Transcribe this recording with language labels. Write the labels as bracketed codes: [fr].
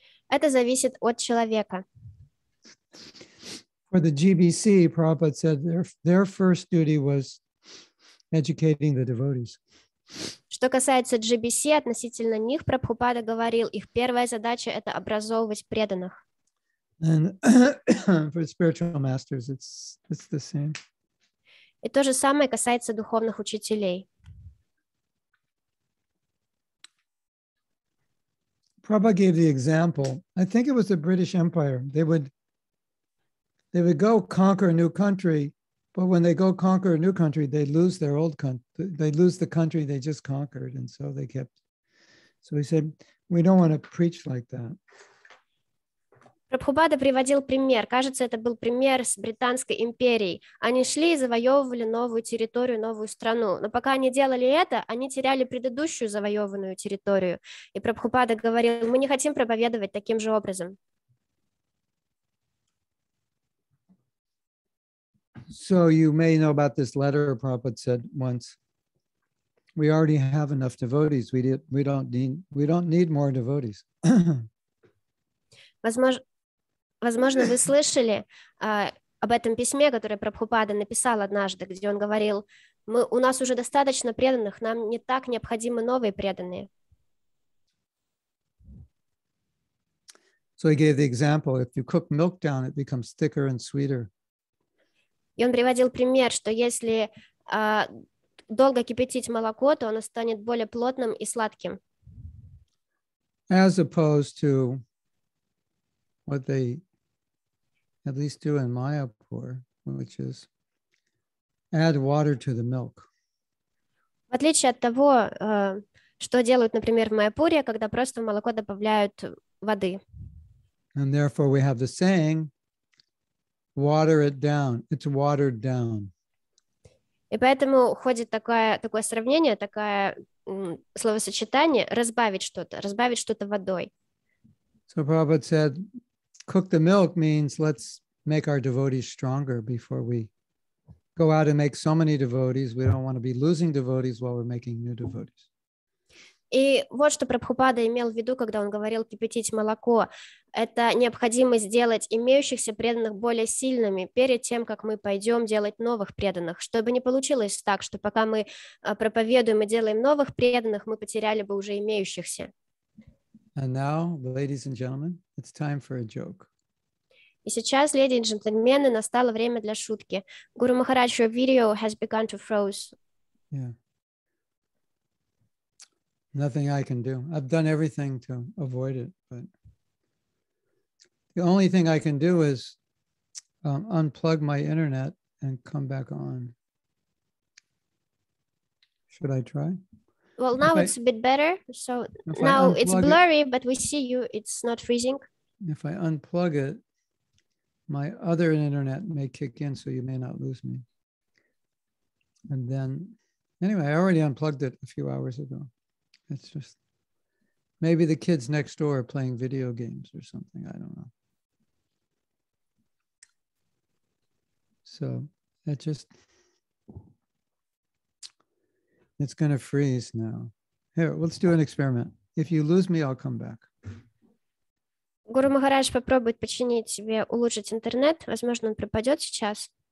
[ru] Это зависит от человека. [en] For the GBC, Prabhupada said their first duty was educating the devotees. [ru] Что касается GBC, относительно них Прабхупада говорил, их первая задача это образовывать преданных. [en] And for spiritual masters, it's the same. [ru] И то же самое касается духовных учителей. [en] Prabhupada gave the example. I think it was the British Empire. They would go conquer a new country, but when they go conquer a new country, they lose their old country. They lose the country they just conquered, and so they kept. So he said, we don't want to preach like that. [ru] Прабхупада приводил пример. Кажется, это был пример с Британской империей. Они шли и завоевывали новую территорию, новую страну. Но пока они делали это, они теряли предыдущую завоеванную территорию. И Прабхупада говорил, мы не хотим проповедовать таким же образом. [en] So you may know about this letter Prabhupada said once. We already have enough devotees. We don't need more devotees. [ru] Возможно, вы слышали об этом письме, которое Прабхупада написал однажды, где он говорил, у нас уже достаточно преданных, нам не так необходимы новые преданные. [en] So he gave the example, if you cook milk down, it becomes thicker and sweeter. [ru] И он приводил пример, что если долго кипятить молоко, то оно станет более плотным и сладким. [en] As opposed to what they at least do in Mayapur, which is add water to the milk. [ru] В отличие от того, что делают, например, в Майапуре, когда просто в молоко добавляют воды. [en] And therefore we have the saying, water it down, it's watered down. [ru] И поэтому ходит такое сравнение, такая словосочетание разбавить что-то водой. [en] So Prabhupada said, cook the milk means let's make our devotees stronger before we go out and make so many devotees. We don't want to be losing devotees while we're making new devotees. [ru] И вот что Прабхупада имел в виду, когда он говорил кипятить молоко. Это необходимо сделать имеющихся преданных более сильными перед тем, как мы пойдем делать новых преданных, чтобы не получилось так, что пока мы проповедуем и делаем новых преданных, мы потеряли бы уже имеющихся. [en] And now, ladies and gentlemen, it's time for a joke. [ru] И сейчас, леди и джентльмены, настало время для шутки. [en] Гуру Махарадж, your video has begun to froze. Yeah. Nothing I can do. I've done everything to avoid it, but the only thing I can do is unplug my internet and come back on. Should I try? Well, now it's a bit better. So now it's blurry, but we see you. It's not freezing. If I unplug it, my other internet may kick in, so you may not lose me. And then, anyway, I already unplugged it a few hours ago. It's just, maybe the kids next door are playing video games or something. I don't know. So it just, it's going to freeze now. Here, let's do an experiment. If you lose me, I'll come back. [ru] Гуру Махарадж попробует починить себе, улучшить интернет. Возможно, он пропадет сейчас.